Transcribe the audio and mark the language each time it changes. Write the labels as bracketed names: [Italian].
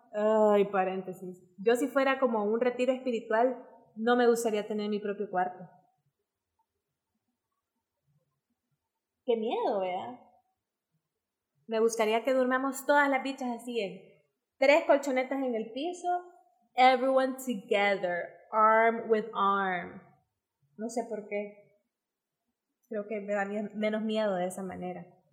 [Spanish] Ay, paréntesis. Yo si fuera como un retiro espiritual, no me gustaría tener mi propio cuarto. Qué miedo, ¿verdad? Me gustaría que durmamos todas las bichas así en 3 colchonetas en el piso. [English] Everyone together, arm with arm. [Spanish] No sé por qué. Creo que me da menos miedo de esa manera.